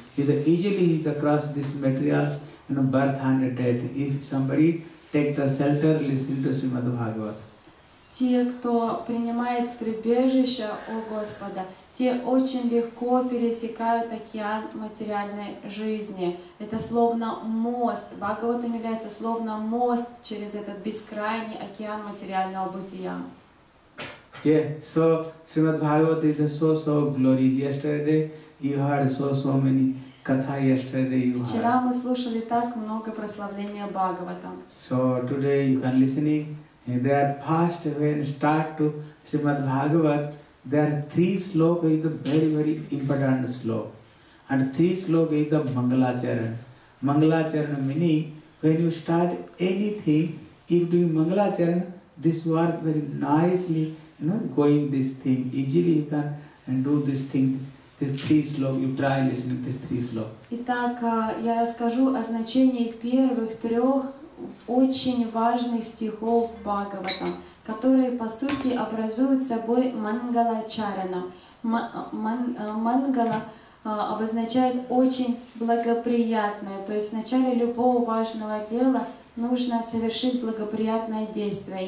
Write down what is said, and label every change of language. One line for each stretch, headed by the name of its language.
English: He easily he can cross this material in birth and death. If somebody takes the shelter, listen to Srimad Bhagavat.
Russian: Те, кто принимает прибежище у Господа, те очень легко пересекают океан материальной жизни. Это словно мост. Бхагаватам является словно мост через этот бескрайний океан материального бытия.
English: Yeah, so Srimad Bhagavat is so so glorious. Yesterday you heard so so many katha yesterday you heard.
Russian: Вчера мы слушали так много прославления Бхагаватам.
English: So today you can listening. They are first when start to Srimad Bhagavat, there are three sloka is the very very important sloka. And three sloka is the Mangalacharan. Mangalacharan meaning when you start anything, if doing Mangalacharan, this work very nicely, you know, going this thing, easily you can and do this thing, this three slok, you try listening to this three slok.
Russian: Итак, я расскажу о значении первых трех очень важных стихов Бхагавата, которые, по сути, образуют собой Мангалачарана. Мангала обозначает очень благоприятное, то есть в начале любого важного дела нужно совершить благоприятное действие.